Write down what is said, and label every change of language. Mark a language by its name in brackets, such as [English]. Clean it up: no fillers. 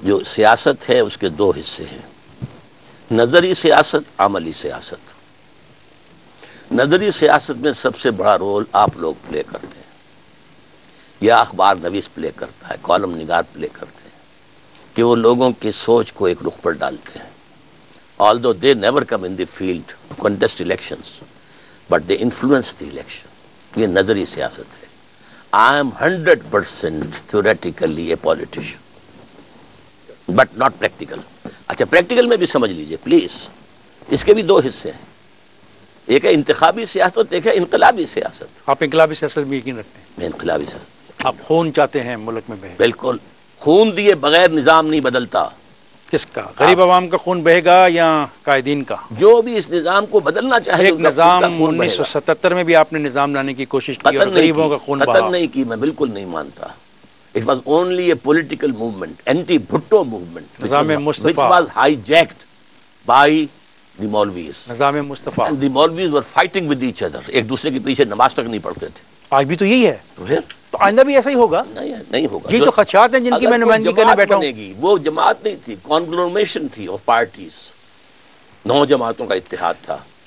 [Urdu] جو سیاست ہے اس کے دو حصے ہیں، نظری سیاست، عملی سیاست. نظری سیاست میں سب سے بڑا رول آپ لوگ پلے کرتے ہیں، یا اخبار نویس پلے کرتا ہے، کالم نگار پلے کرتے ہیں، کہ وہ لوگوں کی سوچ کو ایک رخ پر ڈالتے ہیں. [English] Although they never come in the field to contest elections, but they influence the election. [Urdu] یہ نظری سیاست ہے. [English] I am 100% theoretically a politician, but not practical. [Urdu] اچھا، practical میں بھی سمجھ لیجئے پلیز، اس کے بھی دو حصے ہیں، ایک ہے انتخابی سیاست، ایک ہے انقلابی سیاست. آپ انقلابی سیاست بھی یقین رکھتے ہیں؟ میں انقلابی سیاست. آپ خون چاہتے ہیں ملک میں بہے؟ بالکل. خون دیے بغیر نظام نہیں بدلتا. کس کا؟ غریب عوام کا خون بہے گا یا قائدین کا؟ جو بھی اس نظام کو بدلنا چاہے. ایک نظام 1977 میں بھی آپ نے نظام لانے کی کوشش کی اور غریبوں کا خون بہا؟ قتل نہیں کی، میں بالکل نہیں مانتا. [English] it was only a political movement, anti Bhutto movement, [Urdu] نظام مصطفی، [English] Which was hijacked by the maulvis. [Urdu] نظام مصطفی [English] and the maulvis were fighting with each other, [Urdu] ایک دوسرے کے پیچھے نماز تک نہیں پڑھتے تھے. آج بھی تو یہی ہے، تو آئندہ بھی ایسا ہی ہوگا؟ نہیں ہوگا. یہ تو خدشات ہیں جن کی میں نمائندگی کرنے بیٹھا ہوں. وہ جماعت نہیں تھی، کانگلومریشن تھی آف پارٹیز، نو جماعتوں کا اتحاد تھا.